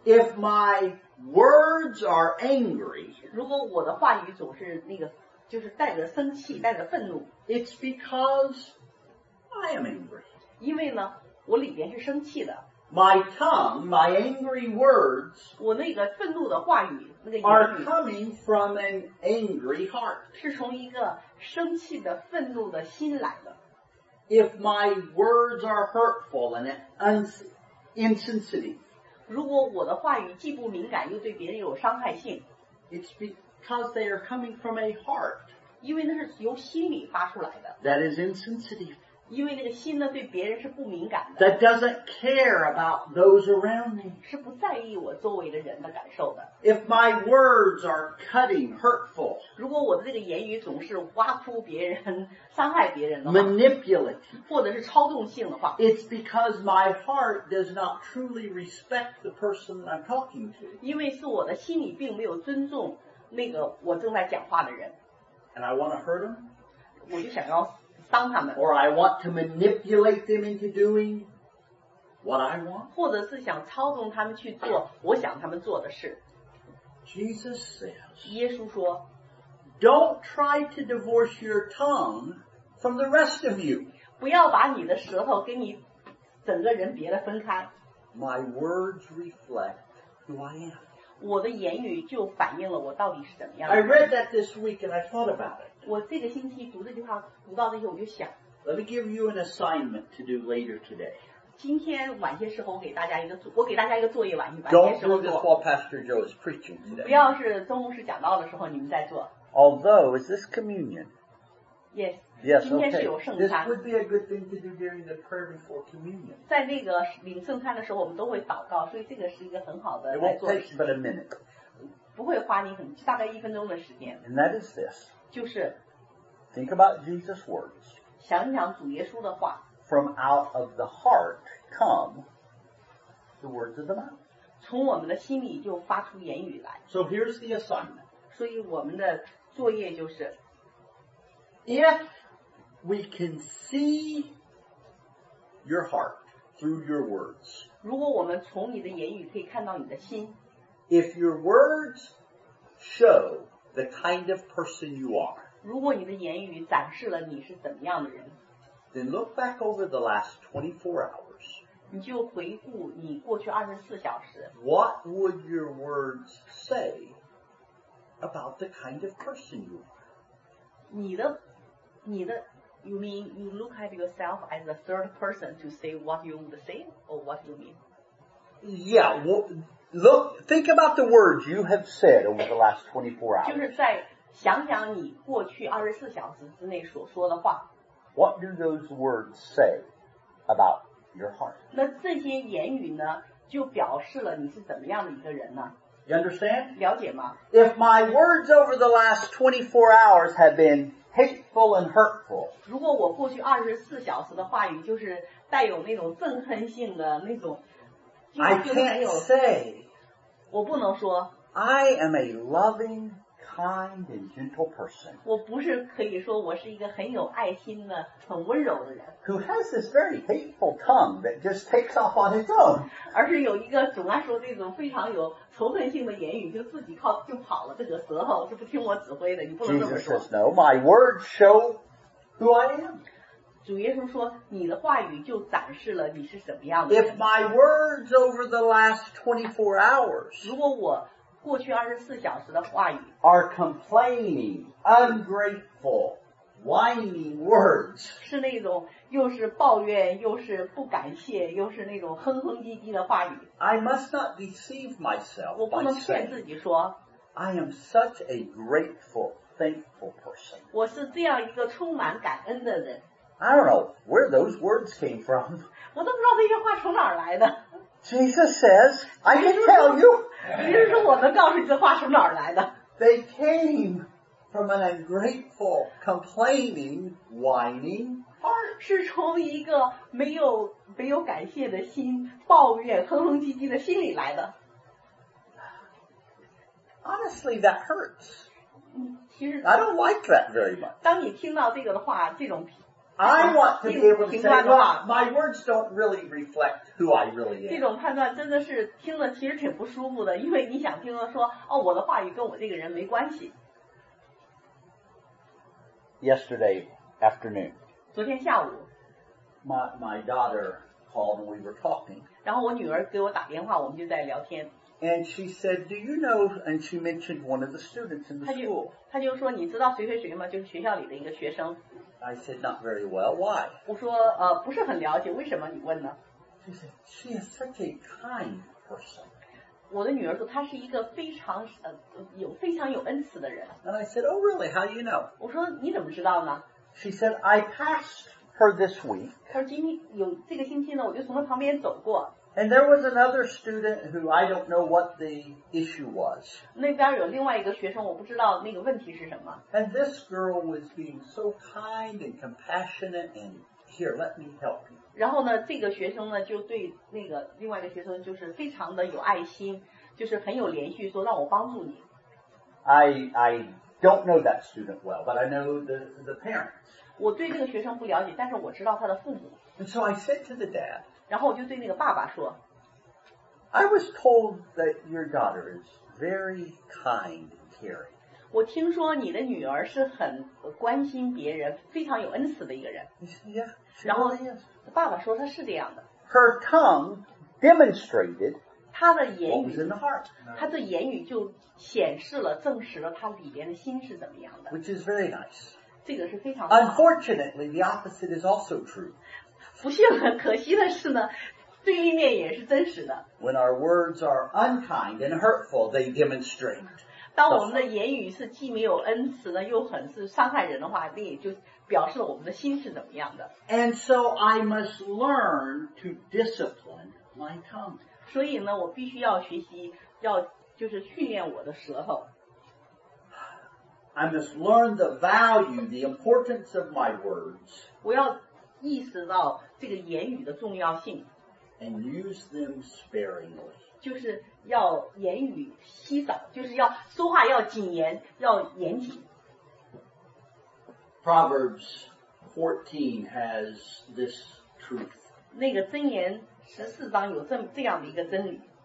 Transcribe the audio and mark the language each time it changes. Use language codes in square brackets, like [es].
[en] If my words are angry, [zh] 如果我的话语总是那个，就是带着生气，带着愤怒 [en] It's because I am angry. [zh] 因为呢我里边是生气的 [en] My tongue, my angry words [zh] 我那个愤怒的话语那个 [en] are coming from an angry heart [zh] 是从一个生气的愤怒的心来的 [en] If my words are hurtful and insensitive [zh] 如果我的话语既不敏感又对别人有伤害性 [en] It's because they are coming from a heart [zh] 因为那是由心里发出来的 [en] That is insensitive [zh] 因为那个心呢对别人是不敏感的 [en] that doesn't care about those around me [zh] 是不在意我周围的人的感受的 [en] if my words are cutting hurtful [zh] 如果我的这个言语总是挖苦别人伤害别人的话 [en] manipulative [zh] 或者是操纵性的话 [en] it's because my heart does not truly respect the person that I'm talking to [zh] 因为是我的心里并没有尊重那个我正在讲话的人 [en] and I want to hurt them [zh] 我就想要当他们 [en] or I want to manipulate them into doing what I want [zh] 或者是想操纵他们去做我想他们做的事 [en] Jesus says [zh] 耶稣说 [en] don't try to divorce your tongue from the rest of you [zh] 不要把你的舌头跟你整个人别的分开 [en] my words reflect who I am [zh] 我的言语就反映了我到底是怎么样 [en] I read that this week and I thought about it [zh] 我这个星期读这句话读到那些我就想 [en] Let me give you an assignment to do later today [zh] 今天晚些时候我给大家一个作业晚些时候 [en] Don't do this while Pastor Joe is preaching today [zh] 不要是中午是讲到的时候你们在做 [en] Although is this communion Yes Yes [zh] 今天是有圣餐 [en] This would be a good thing to do during the prayer before communion [zh] 在那个领圣餐的时候我们都会祷告所以这个是一个很好的 [en] It won't take but a minute [zh] 不会花你很大概一分钟的时间 [en] And that is this [zh] 就是 [en] Think about Jesus' words. [zh] 想想主耶稣的话。 [en] From out of the heart come the words of the mouth. [zh] 从我们的心里就发出言语来。 [en] So here's the assignment. [zh] 所以我们的作业就是 [en] If we can see your heart through your words. [zh] 如果我们从你的言语可以看到你的心。 [en] If your words show the kind of person you are. [zh] 如果你的言语展示了你是怎么样的人 [en] Then look back over the last 24 hours [zh] 你就回顾你过去24小时 [en] What would your words say about the kind of person you are? [zh] 你的 [en] You mean you look at yourself as a third person to say what you would say or what you mean? Yeah, well, look, think about the words you have said over the last 24 hours [zh] 就是在想想你过去24小时之内所说的话。 [en] What do those words say about your heart? [zh] 那这些言语呢，就表示了你是怎么样的一个人呢？ [en] You understand? [zh] 了解吗？ [en] If my words over the last 24 hours have been hateful and hurtful, [zh] 如果我过去24小时的话语就是带有那种憎恨性的那种 [en] I can't say, [zh] 我不能说 [en] I am a loving kind and gentle person. [zh] 我不是可以说我是一个很有爱心的、很温柔的人。 [en] Who has this very hateful tongue that just takes off on its own? [zh] 而是有一个总爱说这种非常有仇恨性的言语，就自己靠就跑了，这个舌头是不听我指挥的，你不能这么说。 [en] Jesus says, "No, my words show who I am." [zh] 主耶稣说，你的话语就展示了你是什么样的。 [en] If my words over the last 24 hours, [zh] 如果我过去二十四小时的话语 [en] are complaining, ungrateful, whining words. [zh] 是那种又是抱怨又是不感谢又是那种哼哼唧唧的话语。 [en] I must not deceive myself. [zh] 我不能骗自己说 [en] I am such a grateful, thankful person. [zh] 我是这样一个充满感恩的人。 [en] I don't know where those words came from. [zh] 我都不知道这些话从哪儿来的。 [en] Jesus says, I can tell you. [zh] 也就是说我能告诉你这话从哪儿来的。 [en] They came from an ungrateful, complaining, whining heart. [zh] 是从一个没有感谢的心，抱怨，哼哼唧唧的心里来的。 [en] Honestly, that hurts. [zh] 其实 [en] I don't like that very much. [zh] 当你听到这个的话，这种 [en] I want to be able to say, well, my words don't really reflect who I really am. [zh] 这种判断真的是听了其实挺不舒服的，因为你想听了说，哦，我的话语跟我这个人没关系。 [en] Yesterday afternoon. [zh] 昨天下午。 [en] My daughter called and we were talking. [zh] 然后我女儿给我打电话，我们就在聊天。 [en] And she said, do you know, and she mentioned one of the students in the school. [zh] 她就说，你知道谁谁谁吗？就是学校里的一个学生。 [en] I said, not very well. Why? [zh] 我说不是很了解，为什么你问呢？ [en] She said, she is such a kind person. [zh] 我的女儿说她是一个非常有恩慈的人。 [en] And I said, oh really, how do you know? [zh] 我说你怎么知道呢？ [en] She said, I passed her this week. [zh] 她说这个星期呢，我就从她旁边走过。 [en] And there was another student who I don't know what the issue was. [zh] 那边有另外一个学生，我不知道那个问题是什么。 [en] And this girl was being so kind and compassionate and here, let me help you. [zh] 然后呢，这个学生呢，就对那个另外一个学生就是非常的有爱心，就是很有连续，说让我帮助你。 [en] I don't know that student well, but I know the parents. [zh] 我对这个学生不了解，但是我知道他的父母。 [en] And so I said to the dad, [zh] 然后我就对那个爸爸说 [en] I was told that your daughter is very kind and caring. [zh] 我听说你的女儿是很关心别人，非常有恩慈的一个人。 [en] Yeah, she really is. [zh] 然后爸爸说她是这样的。 [en] Her tongue demonstrated [zh] 她的言语 [en] what was in the heart. [zh] 她的言语就显示了，证实了她里边的心是怎么样的。 [en] Which is very nice. [zh] 这个是非常好。 [en] Unfortunately, the opposite is also true. [zh] 不幸的，可惜的是呢，对立面也是真实的。 [en] When our words are unkind and hurtful, they demonstrate. [zh] 当我们的言语是既没有恩慈的，又很是伤害人的话，那也就表示了我们的心是怎么样的。 [en] And so I must learn to discipline my tongue. [zh] 所以呢，我必须要学习，要就是训练我的舌头。 [en] I must learn the value, the importance of my words. [zh] 我要意识到这个言语的重要性 [en] and use them sparingly. [zh] 就是要言语稀少，就是要说话要谨言，要严谨。 [en] Proverbs 14 has this truth. [zh] 那个箴言十四章有这样的一个真理。